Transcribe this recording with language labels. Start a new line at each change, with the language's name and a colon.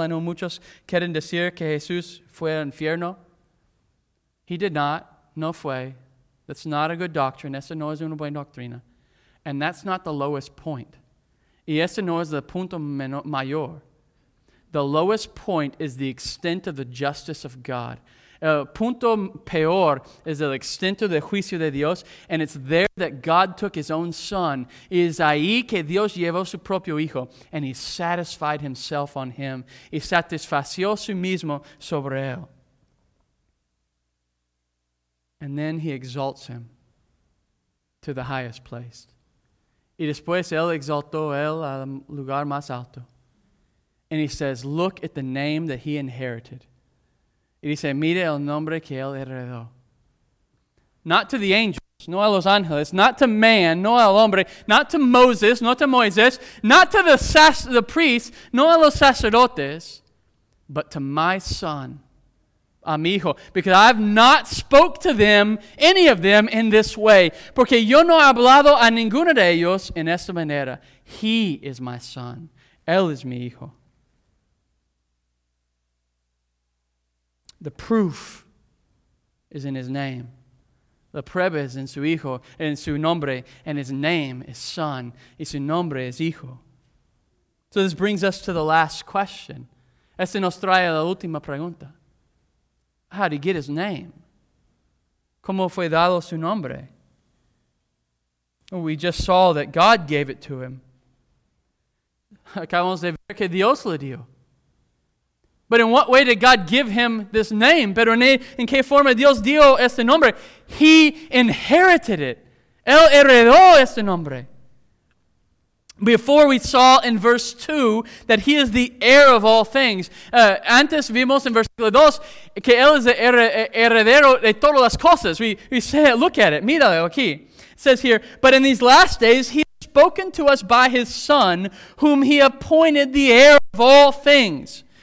English: I know
Spanish: muchos quieren decir que Jesús fue al infierno.
English: He did not.
Spanish: No fue.
English: That's not a good doctrine.
Spanish: Esa no es una buena doctrina.
English: And that's not the lowest point.
Spanish: Y ese no es el punto mayor.
English: The lowest point is the extent of the justice of God.
Spanish: El punto peor es el extento del juicio de Dios.
English: And it's there that God took his own son.
Spanish: Es ahí que Dios llevó su propio hijo.
English: And he satisfied himself on him.
Spanish: Y satisfació su mismo sobre él.
English: And then he exalts him to the highest place.
Spanish: Y después él exaltó él al lugar más alto.
English: And he says, look at the name that he inherited.
Spanish: Y dice, mire el nombre que él heredó.
English: Not to the angels,
Spanish: no a los ángeles,
English: not to man,
Spanish: no al hombre,
English: not to Moses,
Spanish: no to Moisés,
English: not to the priests,
Spanish: no a los sacerdotes,
English: but to my son,
Spanish: a mi hijo,
English: because I've not spoke to them, any of them, in this way.
Spanish: Porque yo no he hablado a ninguno de ellos en esta manera.
English: He is my son.
Spanish: Él es mi hijo.
English: The proof is in his name.
Spanish: La prueba es en su hijo, en su nombre,
English: and his name is son,
Spanish: y su nombre es hijo.
English: So this brings us to the last question.
Spanish: Este nos trae la última pregunta.
English: How did he get his name?
Spanish: ¿Cómo fue dado su nombre?
English: We just saw that God gave it to him.
Spanish: Acabamos de ver que Dios le dio.
English: But in what way did God give him this name?
Spanish: Pero en qué forma Dios dio este nombre?
English: He inherited it.
Spanish: Él heredó este nombre.
English: Before we saw in verse 2 that he is the heir of all things.
Spanish: Antes vimos en versículo 2 que él es el heredero de todas las cosas.
English: We say it, look at it.
Spanish: Míralo aquí.
English: It says here, but in these last days he has spoken to us by his son, whom he appointed the heir of all things.